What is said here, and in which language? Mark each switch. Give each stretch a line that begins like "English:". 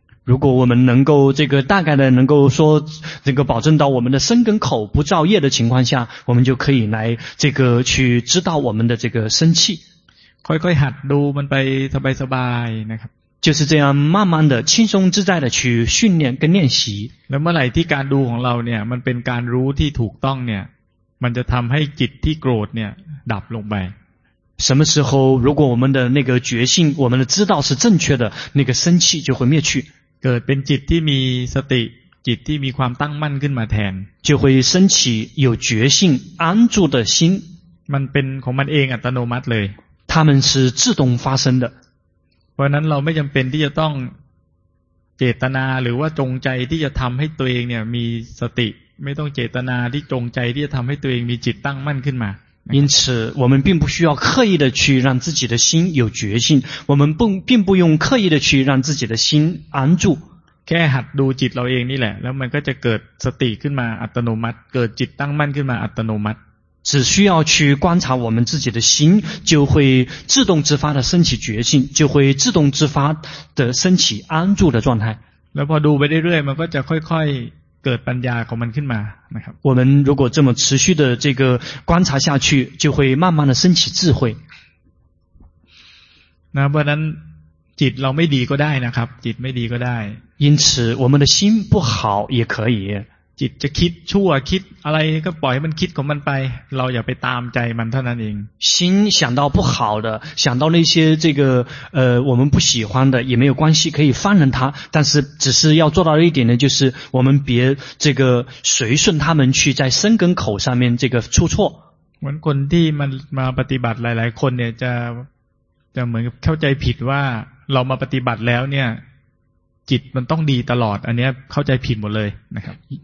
Chinese: 如果我们能够这个大概的能够说这个保证到我们的身根口不造业的情况下我们就可以来这个去知道我们的这个生气
Thai: ค่อยๆหัดดูมันไปสบายๆนะครับ
Chinese: 就是这样慢慢的轻松自在的去训练跟练习
Thai: แล้วเมื่อไหร่ที่การดูของเราเนี่ยมันเป็นการรู้ที่ถูกต้องเนี่ยมันจะทำให้จิตที่โกรธเนี่ยดับลงไป
Chinese: 什么时候如果我们的那个觉性我们的知道是正确的那个生气就会灭去
Thai: เกิดเป็นจิตที่มีสติจิตที่มีความตั้งมั่นขึ้นมาแทน
Chinese: 就会升起有觉性安住的心
Thai: มันเป็นของมันเองอัตโนมัติเลย
Chinese: 他们是自动发生的
Thai: เพราะนั้นเราไม่จำเป็นที่จะต้องเจตนาหรือว่าจงใจที่จะทำให้ตัวเองเนี่ยมีสติไม่ต้องเจตนาที่จงใจที่จะทำให้ตัวเองมีจิตตั้งมั่นขึ้นมา
Chinese: 因此我们并不需要刻意的去让自己的心有觉性我们并不用刻意的去让自己的心安住
Thai: แค่หัดดูจิตเราเองนี่แหละแล้วมันก็จะเกิดสติขึ้นมาอัตโนมัติเกิดจิตตั้งมั่นขึ้นมาอัตโนมัติ
Chinese: 只需要去观察我们自己的心就会自动自发的升起觉性就会自动自发的升起安住的状态
Thai: แล้วพอดูไปเรื่อยๆมันก็จะค่อยๆ
Chinese: 得
Thai: ปัญญาของมันขึ้นมานะครับ
Chinese: 我们如果这么持续的这个观察下去就会慢慢的升起智慧
Thai: นะเพราะนั้นจิตเราไม่ดีก็ได้นะครับจิตไม่ดีก็ได้
Chinese: 因此我们的心不好也可以
Thai: จิตจะคิดชั่วคิดอะไรก็ปล่อยให้มันคิดของมันไปเราอย่าไปตามใจมันเท่านั้นเอง
Chinese: 心想到不好的想到那些这个我们不喜欢的也没有关系可以放任它但是只是要做到一点呢就是我们别这个随顺他们去在生根口上面这个出错
Thai: เหมือนคนที่มาปฏิบัติหลายๆคนเนี่ยจะเหมือนเข้าใจผิดว่าเรามาปฏิบัติแล้วเนี่ยจิตมันต้องดีตลอดอันนี้เข้าใจผิดหมดเลยนะครับ